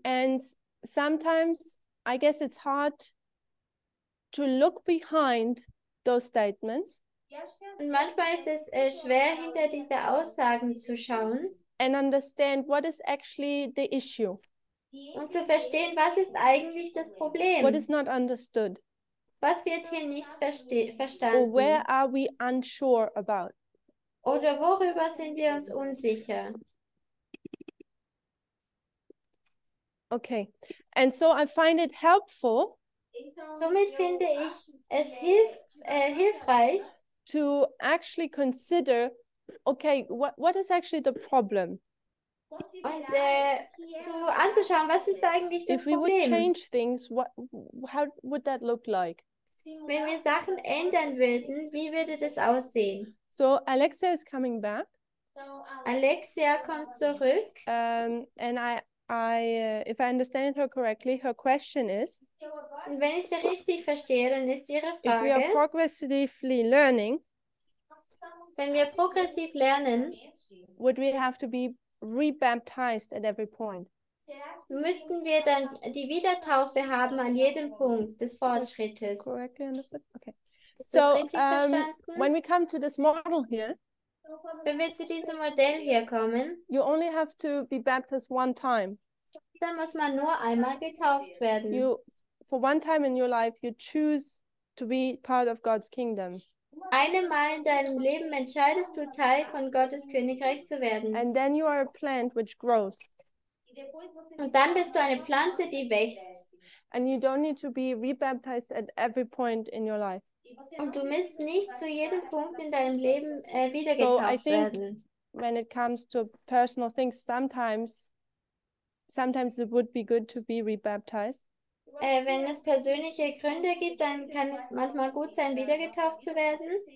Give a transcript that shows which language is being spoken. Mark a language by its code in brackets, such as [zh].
[en] And sometimes I guess it's hard to look behind those statements. [de] Und manchmal ist es schwer, hinter diese Aussagen zu schauen. [en] And understand what is actually the issue. [de] Und zu verstehen, was ist eigentlich das Problem? [en] What is not understood? [de] Was wird hier nicht verstanden? [en] Or where are we unsure about? [de] Oder worüber sind wir uns unsicher? [en] Okay, and so I find it helpful. [de] Somit finde ich es hilfreich, [en] to actually consider, okay, what is actually the problem? [de] Und anzuschauen, was ist da eigentlich das Problem? [en] If we would change things, how would that look like? [de] Wenn wir Sachen ändern würden, wie würde das aussehen? [en] So Alexia is coming back. [de] Alexia kommt zurück. [en] And I if I understand her correctly, her question is. [de] Und wenn ich sie richtig verstehe, dann ist ihre Frage. [en] If we are progressively learning. [de] Wenn wir progressiv lernen. [en] Would we have to be rebaptized at every point? [de] Müssten wir dann die Wiedertaufe haben an jedem Punkt des Fortschrittes? [en] Correctly understood? Okay. So, when we come to this model here, [de] wenn wir zu diesem Modell hier kommen, [en] you only have to be baptized one time. [de] Dann muss man nur einmal getauft werden. [en] You, for one time in your life, you choose to be part of God's kingdom. [de] Einmal in deinem Leben entscheidest du, Teil von Gottes Königreich zu werden. [en] And then you are a plant which grows. [de] Und dann bist du eine Pflanze, die wächst. [en] And you don't need to be rebaptized at every point in your life. [de] Und du musst nicht zu jedem Punkt in deinem Leben wiedergetauft werden. [en] So I think when it comes to personal things, sometimes it would be good to be rebaptized. [de] Wenn es persönliche Gründe gibt, dann kann es manchmal gut sein, wiedergetauft zu werden.